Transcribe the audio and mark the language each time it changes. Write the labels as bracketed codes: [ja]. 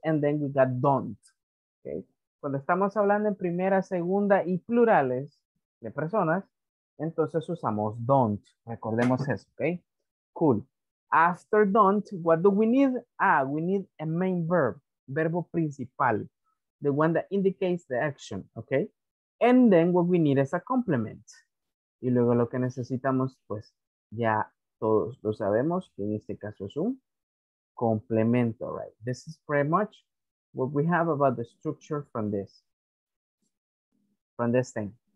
[en] And then we got don't, okay? [es] Cuando estamos hablando en primera, segunda y plurales de personas, entonces usamos don't. Recordemos eso, [en] okay? Cool. After don't, what do we need? We need a main verb, [es] verbo principal, [en] the one that indicates the action, okay? And then what we need is a complement. [es] Y luego lo que necesitamos, pues ya todos lo sabemos, que en este caso es un complemento, right? [en] This is pretty much what we have about the structure from this thing.